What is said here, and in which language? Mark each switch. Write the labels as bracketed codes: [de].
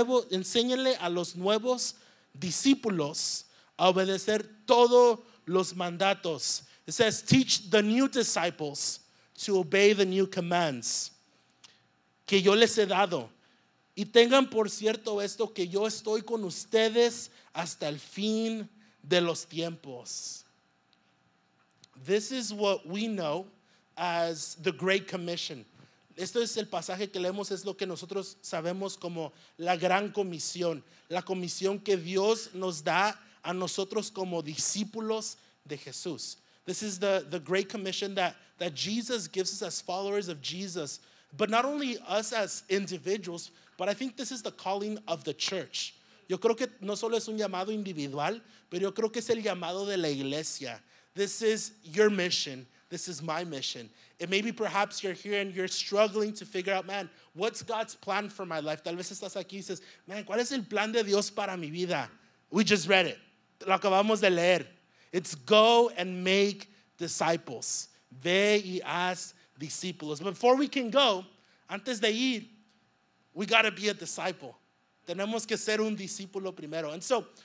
[es] Enséñenle a los nuevos discípulos a obedecer todos los mandatos. [en] It says, teach the new disciples to obey the new commands [es] que yo les he dado. Y tengan por cierto esto, que yo estoy con ustedes hasta el fin de los tiempos. [en] This is what we know as the Great Commission. [es] Esto es el pasaje que leemos, es lo que nosotros sabemos como la gran comisión, la comisión que Dios nos da a nosotros como discípulos de Jesús. [en] This is the Great Commission that Jesus gives us as followers of Jesus, but not only us as individuals, but I think this is the calling of the church. [es] Yo creo que no solo es un llamado individual, pero yo creo que es el llamado de la iglesia. [en] This is your mission. This is my mission. And maybe perhaps you're here and you're struggling to figure out, man, what's God's plan for my life? [es] Tal vez estás aquí y dices, man, ¿cuál es el plan de Dios para mi vida? [en] We just read it. [es] Lo acabamos de leer. [en] It's go and make disciples. [es] Ve y haz discípulos. [en] Before we can go, [es] antes de ir, [en] we got to be a disciple. [es] Tenemos que ser un discípulo primero. And so,